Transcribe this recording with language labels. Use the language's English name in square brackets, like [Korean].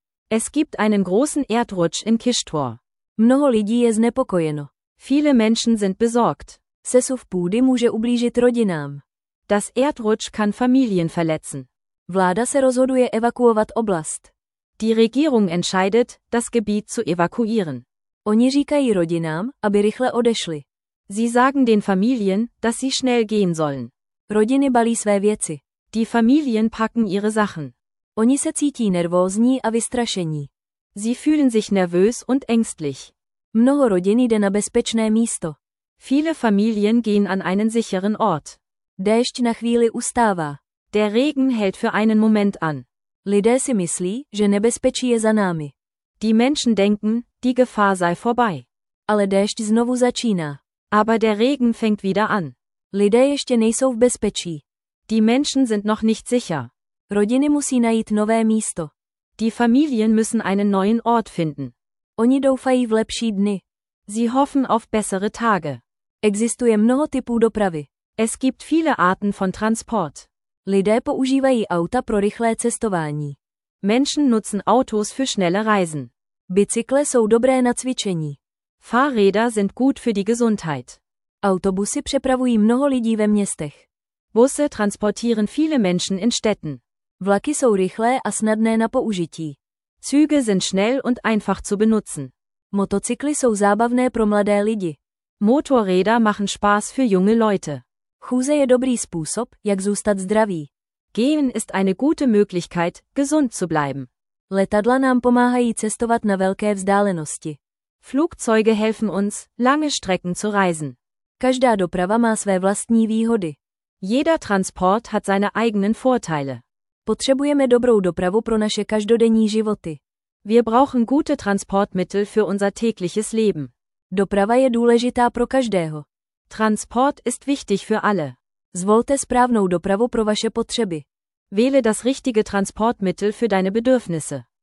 [German] Es gibt einen großen Erdrutsch in Kištvor. [Czech] Mnoho lidí je znepokojeno. [German] Viele Menschen sind besorgt. [Czech] Sesuv půdy může ublížit rodinám. [German] Das Erdrutsch kann Familien verletzen. [Czech] Vláda se rozhoduje evakuovat oblast. [German] Die Regierung entscheidet, das Gebiet zu evakuieren. [Czech] Oni říkají rodinám, aby rychle odešli. [German] Sie sagen den Familien, dass sie schnell gehen sollen. [Czech] Rodiny balí své věci. [German] Die Familien packen ihre Sachen. [Czech] Oni se cítí nervózní a vystrašení. [German] Sie fühlen sich nervös und ängstlich. [Czech] Mnoho rodin jde na bezpečné místo. [German] Viele Familien gehen an einen sicheren Ort. [Czech] Déšť na chvíli ustává. [German] Der Regen hält für einen Moment an. [Czech] Lidé si myslí, že nebezpečí je za námi. [German] Die Menschen denken, die Gefahr sei vorbei. [Czech] Ale déšť znovu začíná. [German] Aber der Regen fängt wieder an. [Czech] Lidé ještě nejsou v bezpečí. [German] Die Menschen sind noch nicht sicher. [Czech] Rodiny musí najít nové místo. [German] Die Familien müssen einen neuen Ort finden. [Czech] Oni doufají v lepší dny. [German] Sie hoffen auf bessere Tage. [Czech] Existuje mnoho typů dopravy. [German] Es gibt viele Arten von Transport. [Czech] Lidé používají auta pro rychlé cestování. [German] Menschen nutzen Autos für schnelle Reisen. [Czech] Bicykle jsou dobré na cvičení. [German] Fahrräder sind gut für die Gesundheit. [Czech] Autobusy přepravují mnoho lidí ve městech. [German] Busse transportieren viele Menschen in Städten. [Czech] Vlaky jsou rychlé a snadné na použití. [German] Züge sind schnell und einfach zu benutzen. [Czech] Motocykly jsou zábavné pro mladé lidi. [German] Motorräder machen Spaß für junge Leute. [Czech] Chůze je dobrý způsob, jak zůstat zdravý. [German] Gehen ist eine gute Möglichkeit, gesund zu bleiben. [Czech] Letadla nám pomáhají cestovat na velké vzdálenosti. [German] Flugzeuge helfen uns, lange Strecken zu reisen. [Czech] Každá doprava má své vlastní výhody. [German] Jeder Transport hat seine eigenen Vorteile. [Czech] Potřebujeme dobrou dopravu pro naše každodenní životy. [German] Wir brauchen gute Transportmittel für unser tägliches Leben. [Czech] Doprava je důležitá pro každého. [German] Transport ist wichtig für alle. [Czech] Zvolte správnou dopravu pro vaše potřeby. [German] Wähle das richtige Transportmittel für deine Bedürfnisse.